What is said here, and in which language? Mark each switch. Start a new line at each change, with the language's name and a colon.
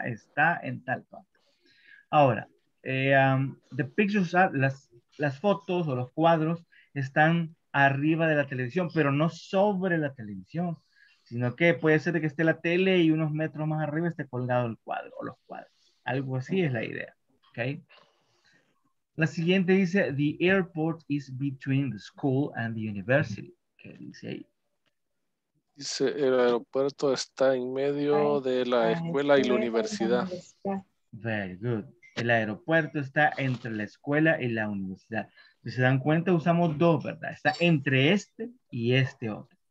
Spanish: Está en tal parte. Ahora,
English: the pictures are,
Spanish: las fotos o los cuadros están arriba de la televisión, pero no sobre la televisión, sino que puede ser de que esté la tele y unos metros más arriba esté colgado el cuadro o los cuadros. Algo así es la idea, ¿ok? La siguiente dice,
English: the airport is between the school and the university.
Spanish: ¿Qué dice ahí? Dice, el aeropuerto está en medio de la escuela y la universidad.
English: Very good.
Spanish: El aeropuerto está entre la escuela y la universidad. Si se dan cuenta, usamos dos, ¿verdad? Está entre este y este otro.